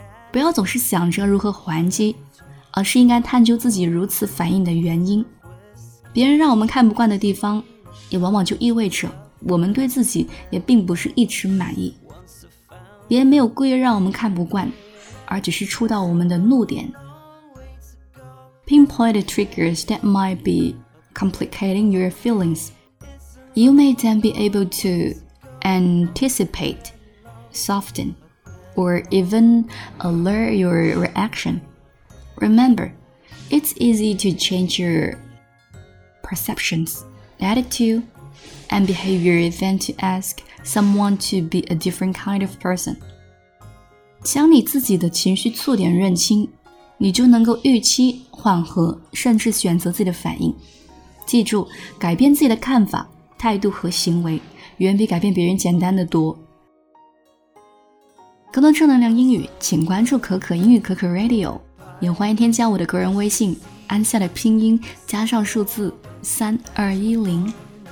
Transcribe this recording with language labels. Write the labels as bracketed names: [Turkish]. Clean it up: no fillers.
[Chinese] 不要总是想着如何还击，而是应该探究自己如此反应的原因。别人让我们看不惯的地方，也往往就意味着我们对自己也并不是一直满意。别人没有故意让我们看不惯，而只是触到我们的怒点。 [English] Pinpoint the triggers that might be complicating your feelings. You may then be able to anticipate, soften, or even alert your reaction. Remember, it's easy to change your perceptions, attitude,and behavior than to ask someone to be a different kind of person. [Chinese] 将你自己的情绪触点认清，你就能够预期、缓和，甚至选择自己的反应。记住，改变自己的看法、态度和行为，远比改变别人简单的多。更多正能量英语，请关注可可英语可可 Radio， 也欢迎添加我的个人微信，安夏的拼音加上数字3210。